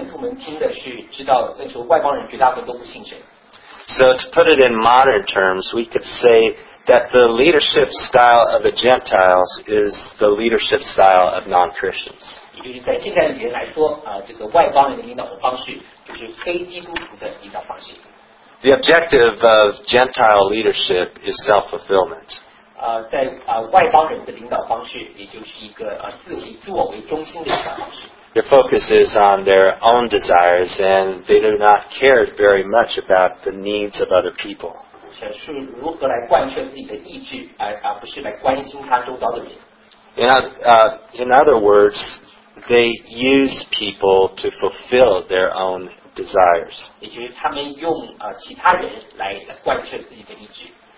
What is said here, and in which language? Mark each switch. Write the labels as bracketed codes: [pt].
[zh] 耶稣在那边说，外邦人跟耶稣的领导方式的时候，门徒们听的是知道，那时候外邦人绝大部分都不信神。 [en] So to put it in modern terms, we could say that the leadership style of the Gentiles is the leadership style of non-Christians. [zh] 也就是在现在的语言来说，这个外邦人的领导方式就是非基督徒的领导方式。 [en] The objective of Gentile leadership is self-fulfillment. [zh] 在外邦人的领导方式，也就是一个自我为中心的领导方式。 [en] Their focus is on their own desires, and they do not care very much about the needs of other people. [zh] 是如何来贯彻自己的意志，而不是来关心他周遭的人。 [en] In other words, they use people to fulfill their own desires. [zh] 也就是他们用其他人来贯彻自己的意志。